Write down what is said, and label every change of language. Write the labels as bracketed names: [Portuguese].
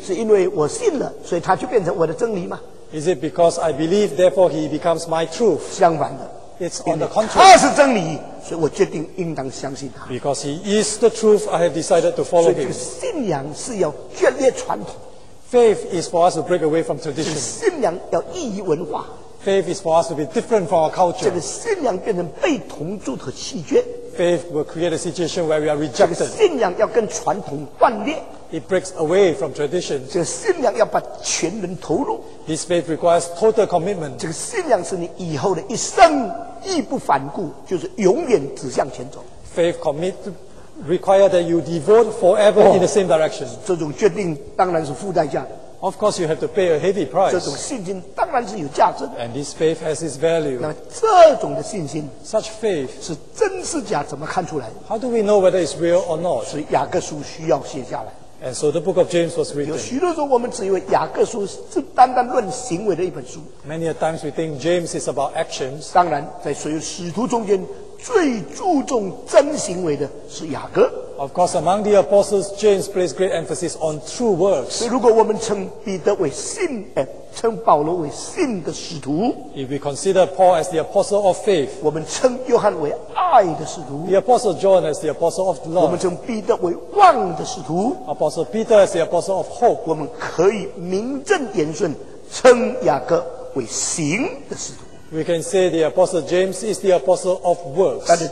[Chinese] 是因为我信了，所以他就变成我的真理吗 [English] ？Is it because I believe, therefore he becomes my truth? [Chinese] 相反的 [English] ，It's on the contrary. [Chinese] 他是真理，所以我决定应当相信他。 [English] Because he is the truth, I have decided to follow him. [Chinese] 所以这个信仰是要决裂传统。 [English] Faith is for us to break away from tradition. [Chinese] 信仰要异于文化。 [English] Faith is for us to be different from our culture. [Chinese] 这个信仰变成被同住和弃绝。 [English] Faith will create a situation where we are rejected. [Chinese] 这个信仰要跟传统断裂。 [English] It breaks away from tradition. [Chinese] 这个信仰要把全人投入。 [English] This faith requires total commitment. [Chinese] 这个信仰是你以后的一生。义不反顾，就是永远指向前走。 [English] Faith commit require that you devote forever in the same direction. [Chinese] 这种决定当然是付代价的。 [English] Of course, you have to pay a heavy price. [Chinese] 这种信心当然是有价值的, [English] and this faith has its value. [Chinese] 那这种的信心, [English] such faith, [Chinese] 是真是假怎么看出来? [English] How do we know whether it's real or not? [Chinese] 是雅各书需要写下来。 [English] And so the book of James was written. [Chinese] 有许多时候我们只以为雅各书是单单论行为的一本书。 [English] Many a times we think James is about actions. [Chinese] 当然在所有使徒中间, 最注重真行为的是雅各。 [English] Of course, among the apostles, James placed great emphasis on true works. [Chinese] 所以如果我们称彼得为信，称保罗为信的使徒， [English] if we consider Paul as the apostle of faith, [Chinese] 我们称约翰为爱的使徒， [English] the apostle John as the apostle of love, [Chinese] 我们称彼得为望的使徒， [English] apostle Peter as the apostle of hope, [Chinese] 我们可以名正言顺称雅各为行的使徒。 [English] We can say the Apostle James is the Apostle of works.